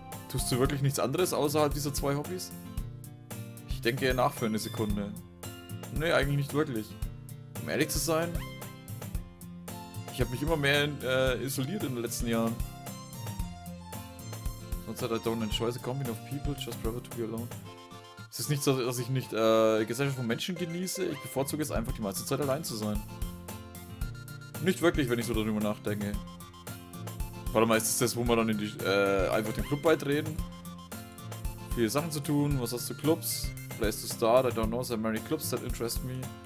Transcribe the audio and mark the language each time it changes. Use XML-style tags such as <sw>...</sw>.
<de>Tust du wirklich nichts anderes außerhalb dieser zwei Hobbys? Ich denke nach für eine Sekunde. Nee, eigentlich nicht wirklich. Um ehrlich zu sein, ich habe mich immer mehr isoliert in den letzten Jahren. Sonst hat</de> <en>I don't enjoy the company of people, just prefer to be alone. Es ist nicht so, dass ich nicht Gesellschaft von Menschen genieße, ich bevorzuge es einfach die meiste Zeit allein zu sein.</en> <de>Nicht wirklich, wenn ich so darüber nachdenke. Warte mal, ist das das, wo wir dann in die, einfach den Club beitreten? Viele Sachen zu tun, was hast du, Clubs?</de> <en>Place to start, I don't know, there are many clubs that interest me.</en>